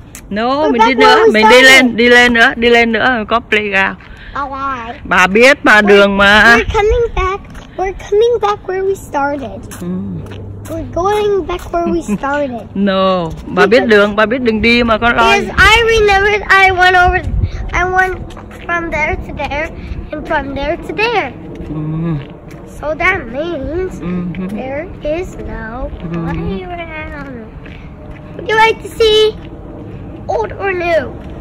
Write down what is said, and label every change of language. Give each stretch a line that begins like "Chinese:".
Vietnamese: No, mình đi nữa, mình đi lên, đi lên nữa có playground. Bà biết mà đường mà.
English: We're coming back. We're coming back where we started. We're going back where we started.
Vietnamese: No, bà biết đường, bà biết đường đi mà con ơi.
English: I remembered I went over, I went from there to there and from there to there. So that means there is no playground. Would you like to see old or new?